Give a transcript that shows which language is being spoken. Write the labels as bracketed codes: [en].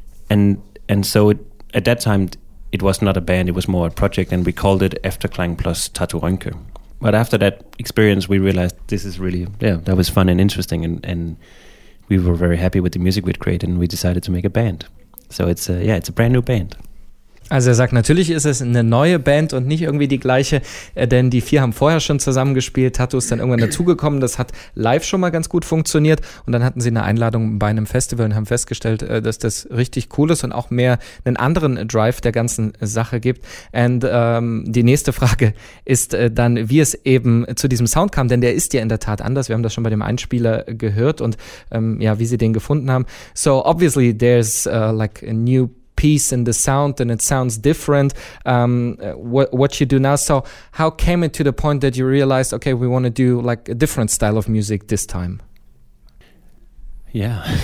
[en] And so it, at that time, it was not a band, it was more a project, and we called it Efterklang plus Tattoo Ronke. But after that experience, we realized this is really, yeah, that was fun and interesting, and we were very happy with the music we'd created and we decided to make a band. So it's a, yeah, it's a brand new band. [de] Also er sagt, natürlich ist es eine neue Band und nicht irgendwie die gleiche, denn die vier haben vorher schon zusammengespielt, Tattoo ist dann irgendwann dazugekommen, das hat live schon mal ganz gut funktioniert und dann hatten sie eine Einladung bei einem Festival und haben festgestellt, dass das richtig cool ist und auch mehr einen anderen Drive der ganzen Sache gibt. Und die nächste Frage ist dann, wie es eben zu diesem Sound kam, denn der ist ja in der Tat anders, wir haben das schon bei dem Einspieler gehört und ja, wie sie den gefunden haben. [en] So obviously there's like a new piece in the sound and it sounds different what you do now. So how came it to the point that you realized, okay, we want to do like a different style of music this time? Yeah.